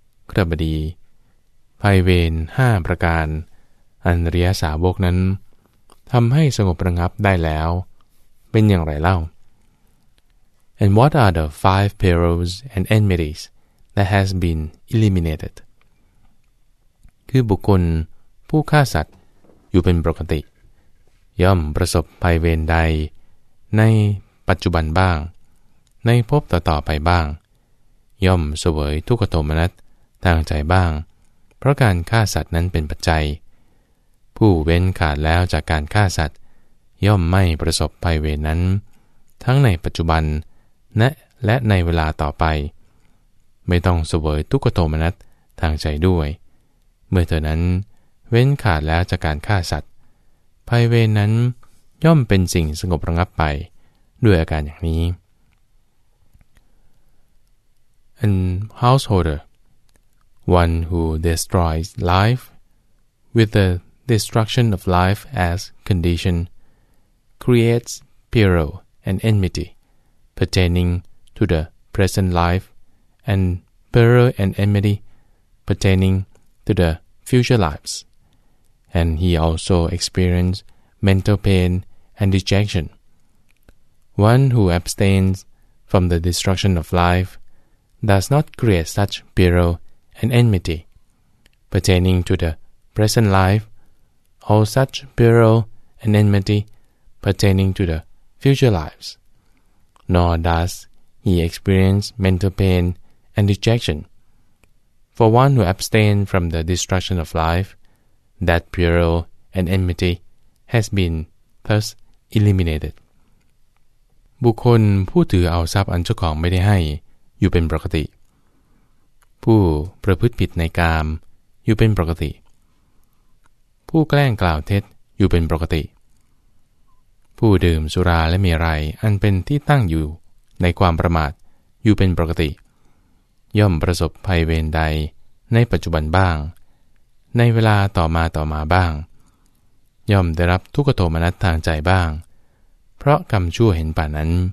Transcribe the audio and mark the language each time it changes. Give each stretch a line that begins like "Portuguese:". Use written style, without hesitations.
Thai: ครับดีภายเวณ5ประการอันอริยสาวกนั้นทำให้สงบระงับได้แล้วเป็นอย่างไรเล่า
English: And what are the five perils and enmities that has been eliminated?
Thai: คือบุคคลผู้ฆ่าสัตว์อยู่เป็นปกติย่อมประสบภัยเวรใดในปัจจุบันบ้างในภพต่อๆไปบ้างย่อมเสวยทุกขโทมนัสทางใจบ้างเพราะการฆ่าสัตว์นั้นเป็นปัจจัยผู้เว้นขาดแล้วจากการฆ่าสัตว์ย่อมไม่ประสบภัยเวรนั้นทั้งในปัจจุบันและในเวลาต่อไป ไม่ต้องเสวยทุกขโทมนัสทางใจด้วยเมื่อเธอนั้นเว้นขาดแล้วจากการฆ่าสัตว์ภัยเวรนั้นย่อมเป็นสิ่งสงบระงับไปด้วยอาการอย่างนี้
English: An householder, one who destroys life with the destruction of life as condition, creates peril and enmity. Pertaining to the present life, and peril and enmity, pertaining to the future lives, and he also experienced mental pain and dejection. One who abstains from the destruction of life does not create such peril and enmity. Pertaining to the present life, all such peril and enmity pertaining to the future lives. Nor does he experience mental pain and dejection. For one who abstains from the destruction of life, that peril and enmity has been thus eliminated.
Thai: บุคคลผู้ถือเอาทรัพย์อันเจ้าของไม่ได้ให้อยู่เป็นปกติผู้ประพฤติผิดในกามอยู่เป็นปกติ ผู้แกล้งกล่าวเท็จอยู่เป็นปกติผู้ดื่มสุราและเมรัยอันเป็นที่ตั้งอยู่ในความประมาทอยู่เป็นปกติย่อมประสบภัยเวรใดในปัจจุบันบ้างในเวลาต่อมาบ้างย่อมได้รับทุกขโทมนัสทางใจบ้างเพราะกรรมชั่วเห็นป่านั้น